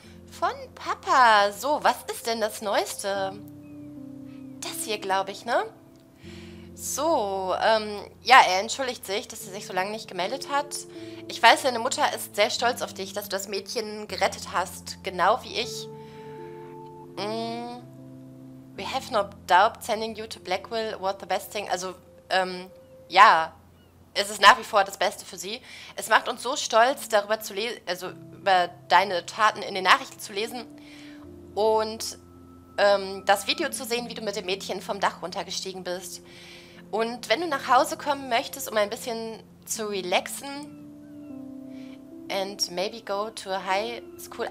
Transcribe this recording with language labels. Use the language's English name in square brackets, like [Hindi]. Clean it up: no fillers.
[German] Von Papa. So, was ist denn das Neueste? Das hier, glaube ich, ne? So, ja, er entschuldigt sich, dass er sich so lange nicht gemeldet hat. Ich weiß, deine Mutter ist sehr stolz auf dich, dass du das Mädchen gerettet hast, genau wie ich. [English] We have no doubt sending you to Blackwell was the best thing. [German] Also, ja, es ist nach wie vor das Beste für sie. Es macht uns so stolz, darüber zu lesen, also über deine Taten in den Nachrichten zu lesen und das Video zu sehen, wie du mit dem Mädchen vom Dach runtergestiegen bist. Und wenn du nach Hause kommen möchtest, um ein bisschen zu relaxen [English] and maybe go to a high school.